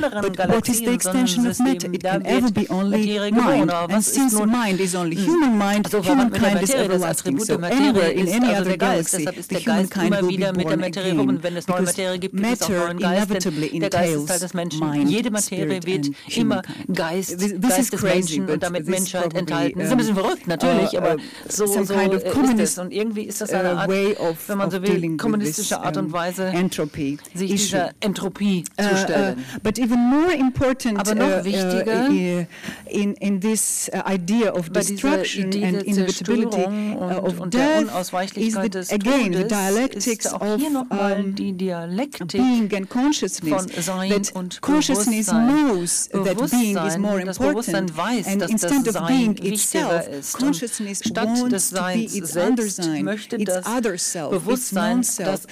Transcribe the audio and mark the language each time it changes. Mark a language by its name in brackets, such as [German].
[English] but what is the extension of matter? It can ever be only mind. And since mind is only human mind, humankind is everlasting. So anywhere in any other galaxy, the humankind will be born again, because matter inevitably entails mind, [German] jede Materie wird immer Geist des Menschen und damit Menschheit enthalten. Das ist ein bisschen verrückt, natürlich, aber so ist es. Und irgendwie ist das eine Art, wenn man so will, kommunistische Art und Weise, sich dieser Entropie zu stellen. [English] But even more important, [German] aber noch wichtiger, [English] in this idea of destruction and inevitability of death, is that again the dialectics of being and consciousness. That consciousness knows that being is more important, and instead of being itself, consciousness wants to be its Andersein, its other self, its non self.